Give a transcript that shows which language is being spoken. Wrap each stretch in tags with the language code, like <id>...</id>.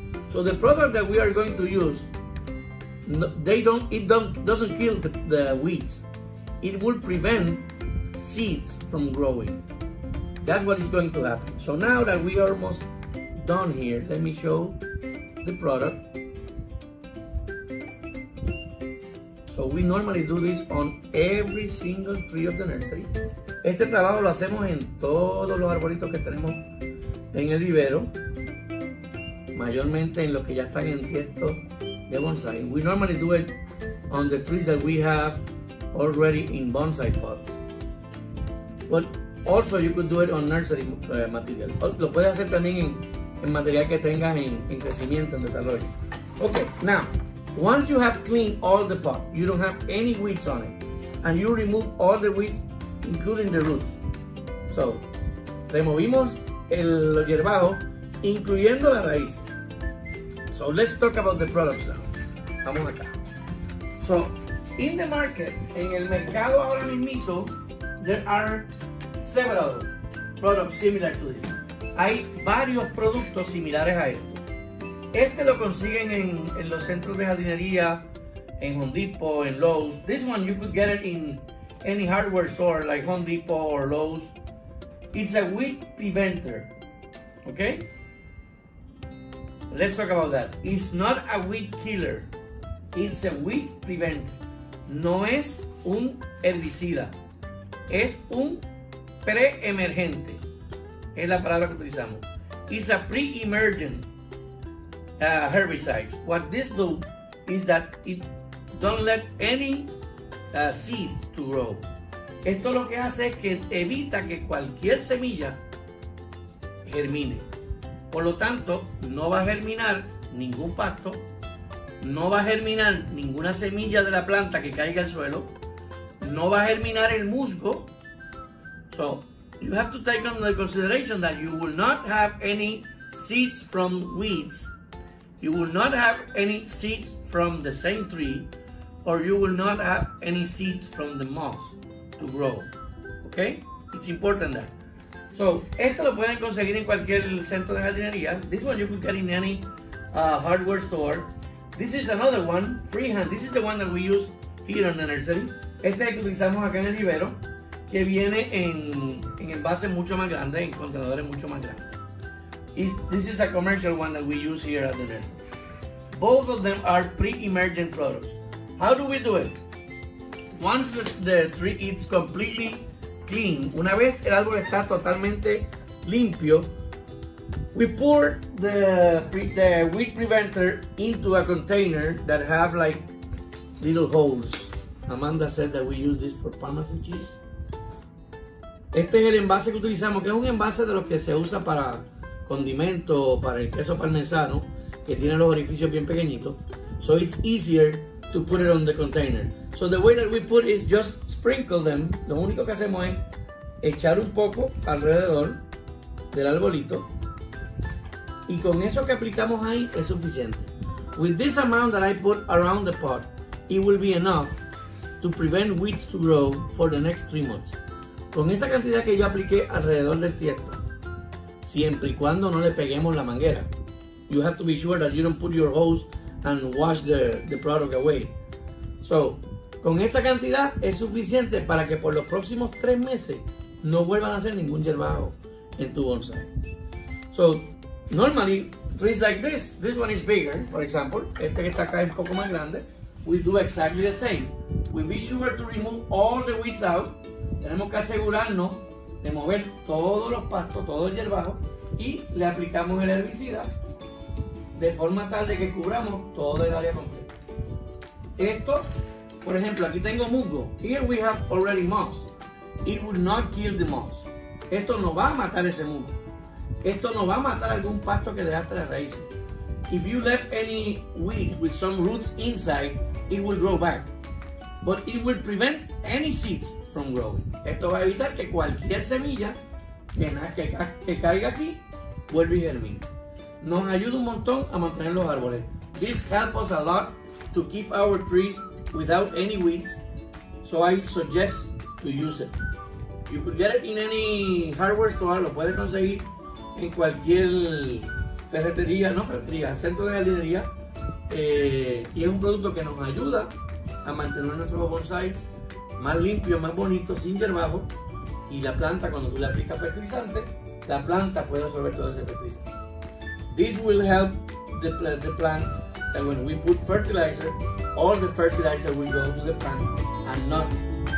<en>So the product that we are going to use, doesn't kill the weeds. It will prevent seeds from growing. That's what is going to happen. So now that we are almost done here, let me show the product. So we normally do this on every single tree of the nursery.</en> <es>Este trabajo lo hacemos en todos los arbolitos que tenemos en el vivero, mayormente en los que ya están en tiesto de bonsai.</es> <en>We normally do it on the trees that we have already in bonsai pots. But also you could do it on nursery material.</en> <es>Lo puedes hacer también en material que tengas en crecimiento, en desarrollo.</es> <en>Okay, now, once you have cleaned all the pot, you don't have any weeds on it, and you remove all the weeds, including the roots.</en> <es>So, removimos el yerbajo, incluyendo la raíz.</es> <en>So let's talk about the products now.</en> <es>Vamos acá.</es> <en>So, in the market,</en> <es>en el mercado ahora mismito,</es> <en>there are several products similar to this.</en> <es>Hay varios productos similares a esto. Este lo consiguen en los centros de jardinería, en Home Depot, en Lowe's.</es> <en>This one you could get it in any hardware store like Home Depot or Lowe's. It's a weed preventer, okay? Let's talk about that. It's not a weed killer. It's a weed preventer.</en> <es>No es un herbicida. Es un pre-emergente. Es la palabra que utilizamos.</es> <en>It's a pre-emergent herbicide. What this do is that it don't let any seeds to grow.</en> <es>Esto lo que hace es que evita que cualquier semilla germine. Por lo tanto, no va a germinar ningún pasto no va a germinar ninguna semilla de la planta que caiga al suelo, no va a germinar el musgo.</es> <en>So you have to take into consideration that you will not have any seeds from weeds, you will not have any seeds from the same tree, or you will not have any seeds from the moss to grow. Okay? It's important that.</en> <es>So, esto lo pueden conseguir en cualquier centro de jardinería.</es> <en>This one you can get in any hardware store. This is another one, freehand. This is the one that we use here in the nursery.</en> <es>Este es el que utilizamos acá en el vivero, que viene en envases mucho más grandes, en contenedores mucho más grandes.</es> <en>This is a commercial one that we use here at the nursery. Both of them are pre-emergent products. How do we do it? Once the tree is completely clean,</en> <es>una vez el árbol está totalmente limpio,</es> <en>we pour the weed preventer into a container that have like little holes. Amanda said that we use this for Parmesan cheese.</en> <es>Este es el envase que utilizamos, que es un envase de los que se usa para condimento, para el queso parmesano, que tiene los orificios bien pequeñitos.</es> <en>So it's easier to put it on the container. So the way that we put is just sprinkle them.</en> <es>Lo único que hacemos es echar un poco alrededor del arbolito. Y con eso que aplicamos ahí es suficiente.</es> <en>With this amount that I put around the pot, it will be enough to prevent weeds to grow for the next 3 months.</en> <es>Con esa cantidad que yo apliqué alrededor del tiesto, siempre y cuando no le peguemos la manguera.</es> <en>You have to be sure that you don't put your hose and wash the product away.</en> <es>So, con esta cantidad es suficiente para que por los próximos 3 meses no vuelvan a hacer ningún yerbajo en tu bonsai.</es> <en>So, normally, trees like this, this one is bigger, for example.</en> <es>Este que está acá es un poco más grande.</es> <en>We do exactly the same. We be sure to remove all the weeds out.</en> <es>Tenemos que asegurarnos de mover todos los pastos, todo el yerbajo, y le aplicamos el herbicida de forma tal de que cubramos todo el área completa. Esto, por ejemplo, aquí tengo musgo.</es> <en>Here we have already moss. It will not kill the moss.</en> <es>Esto no va a matar ese musgo. Esto no va a matar algún pasto que dejaste de raíces.</es> <en>If you left any weed with some roots inside, it will grow back. But it will prevent any seeds from growing.</en> <es>Esto va a evitar que cualquier semilla que caiga aquí vuelva y germine. Nos ayuda un montón a mantener los árboles.</es> <en>This helps us a lot to keep our trees without any weeds. So I suggest to use it. You could get it in any hardware store.</en> <es>Lo puedes conseguir en cualquier ferretería, no ferretería, centro de jardinería. Y es un producto que nos ayuda a mantener nuestro bonsai más limpio, más bonito, sin yerbajo. Y la planta, cuando tú le aplicas fertilizante, la planta puede absorber todo ese fertilizante.</es> <en>This will help the plant that when we put fertilizer, all the fertilizer will go to the plant and not</en>